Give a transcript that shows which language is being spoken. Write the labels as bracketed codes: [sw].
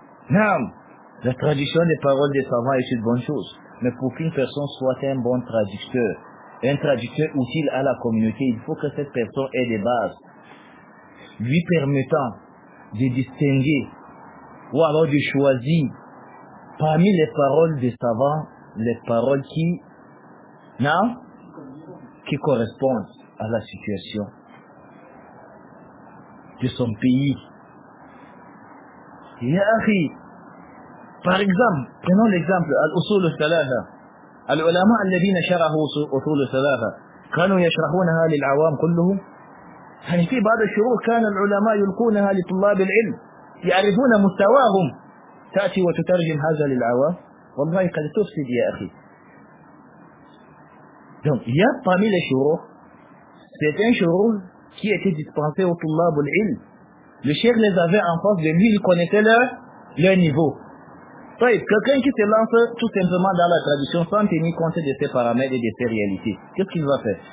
[ar] نعم [fr] la traduction des paroles des savants est une bonne chose, mais pour qu'une personne soit un bon traducteur, un traducteur utile à la communauté, il faut que cette personne ait des bases lui permettant de distinguer ou alors de choisir parmi les paroles des savants les paroles qui non qui correspondent à la situation de son pays. Yahi, par exemple, prenons l'exemple al-usul al-thalatha [ar] العلماء الذين شرحوا أصول الثلاثة كانوا يشرحونها للعوام كلهم. يعني في بعض الشروح كان العلماء يلقونها لطلاب العلم يعرفون مستواهم. تأتي وتترجم هذا للعوام والله قد تفسد يا أخي. دونك يا طامي الشروح [fr] certains شروح qui étaient dispensés aux طلاب العلم le cheikh les avait en face de lui, il connaissait leur niveau. Bref, quelqu'un qui se lance tout simplement dans la traduction sans tenir compte de ses paramètres et de ses réalités, qu'est-ce qu'il va faire?